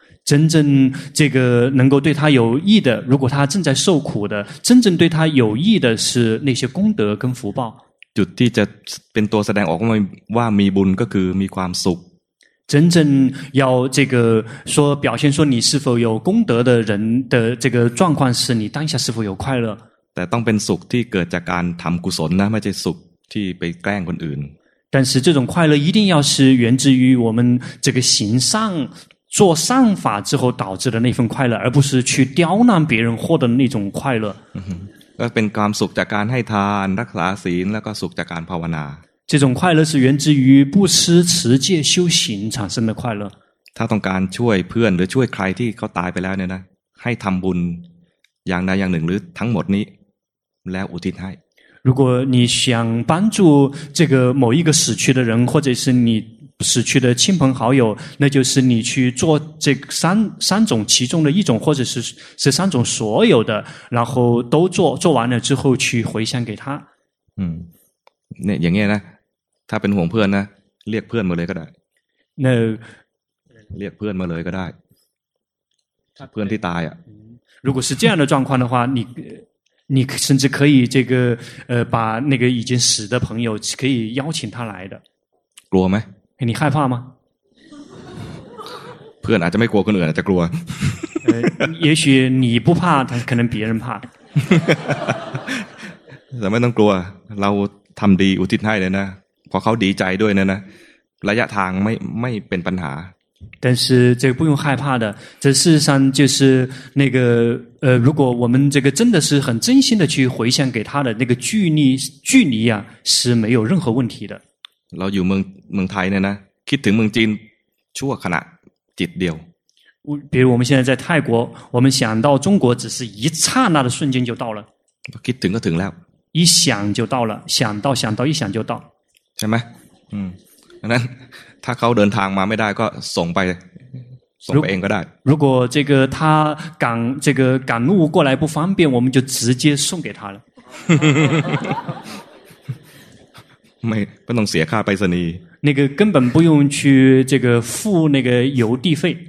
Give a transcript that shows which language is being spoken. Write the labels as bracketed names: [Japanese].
[Chinese] 真正这个能够对他有益的如果他正在受苦的真正对他有益的是那些功德跟福报 [Thai] จุดที่จะเป็นตัวแสดงออกว่ามีบุญก็คือมีความสุข [Chinese] 真正要这个说表现说你是否有功德的人的这个状况是你当下是否有快乐 [Thai] แต่ต้องเป็นสุขที่เกิดจากการทำกุศลนะไม่ใช่สุขที่ไปแกล้งคนอื่น [Chinese] 但是这种快乐一定要是源自于我们这个行善做善法之后导致的那份快乐而不是去刁难别人获得那种快乐 [Thai] ก็เป็นความสุขจากการให้ทานรักษาศีลแล้วก็สุขจากการภาวนา [Chinese] 这种快乐是源自于布施持戒修行产生的快乐 [Thai] ถ้าต้องการช่วยเพื่อนหรือช่วยใครที่เขาตายไปแล้วเนี่ยนะให้ทำบุญอย่างใดอย่างหนึ่งหรือทั้งหมดนี้แล้วอุทิศให้ [Chinese] 如果你想帮助这个某一个死去的人或者是你死去的亲朋好友那就是你去做这三种其中的一种或者是这三种所有的然后都做做完了之后去回向给他 [Thai] 那อย่างเงี้ยนะถ้าเป็นห่วงเพื่อนนะเรียกเพื่อนมาเลยก็ได้ [Chinese] 那 [Thai] เรียกเพื่อนมาเลยก็ได้ถ้าเพื่อนที่ตายอ่ะ [Chinese] 如果是这样的状况的话你甚至可以这个把那个已经死的朋友可以邀请他来的 [Thai] กลัวไหม [Chinese] 你害怕吗 [Thai] เพื่อนอาจจะไม่กลัวคนอื่นอาจจะกลัว [Chinese] 也许你不怕但可能别人怕 [Thai] แต่ไม่ต้องกลัวเราทำดีอุทิศให้เลยนะพอเขาดีใจด้วยนะระยะทางไม่เป็นปัญหา [Chinese] 但是这个不用害怕的这事实上就是那个如果我们这个真的是很真心的去回向给他的那个距离啊是没有任何问题的 [Thai] เราอยู่เมืองไทยเนี่ยนะคิดถึงเมืองจีนชั่วขณะจิตเดียว [Chinese] 比如我们现在在泰国我们想到中国只是一刹那的瞬间就到了 [Thai] คิดถึงก็ถึงแล้ว [Chinese] 一想就到了想到一想就到 [Thai] ใช่ไหม [Chinese] 那他 [Thai] เขาเดินทางมาไม่ได้ก็ส่งไปส่งไปเองก็ได้ [Chinese] 如果这个他赶这个赶路过来不方便我们就直接送给他了 [Thai] ไม่ต้องเสียค่าไปรษณีย์ [Chinese] 那个根本不用去这个付那个邮递费